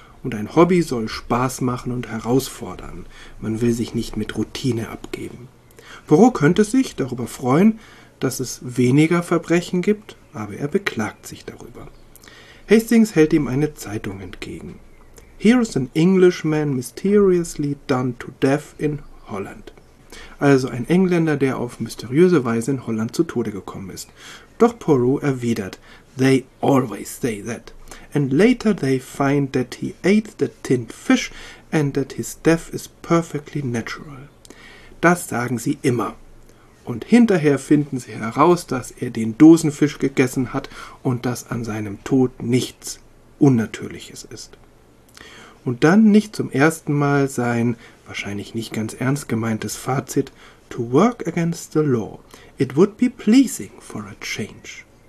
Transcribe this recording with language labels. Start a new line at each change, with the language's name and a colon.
German: Und ein Hobby soll Spaß machen und herausfordern. Man will sich nicht mit Routine abgeben. Poirot könnte sich darüber freuen, dass es weniger Verbrechen gibt, aber er beklagt sich darüber. Hastings hält ihm eine Zeitung entgegen.
English: Here's an Englishman mysteriously done to death in Holland.
German: Also ein Engländer, der auf mysteriöse Weise in Holland zu Tode gekommen ist. Doch Poirot erwidert,
English: they always say that. And later they find that he ate the tinned fish and that his death is perfectly natural.
German: Das sagen sie immer. und hinterher finden sie heraus, dass er den Dosenfisch gegessen hat und dass an seinem Tod nichts Unnatürliches ist. Und dann nicht zum ersten Mal sein, wahrscheinlich nicht ganz ernst gemeintes Fazit,
English: to work against the law, it would be pleasing for a change.